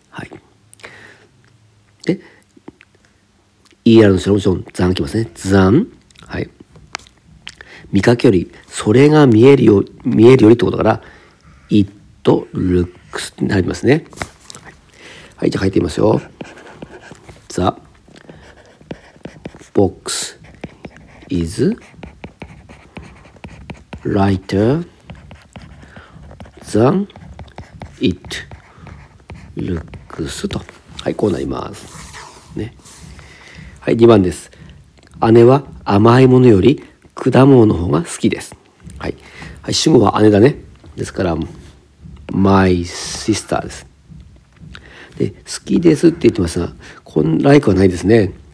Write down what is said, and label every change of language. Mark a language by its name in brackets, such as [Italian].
[Japanese] はい、で er の後ろもちろん the がきますね。 the、 はい、見かけより、それが見えるよ、見えるよりってことから、it と looks になりますね。はい、じゃあ書いてみますよ。 [English] The box is lighter than it looks と。 [Japanese] はい、こうなります、ね。はい、2番です。姉は甘いものより果物の方が好きです。はい、はい、主語は姉だね。ですから、my sister です。で、好きですって言ってますが、like はないですね。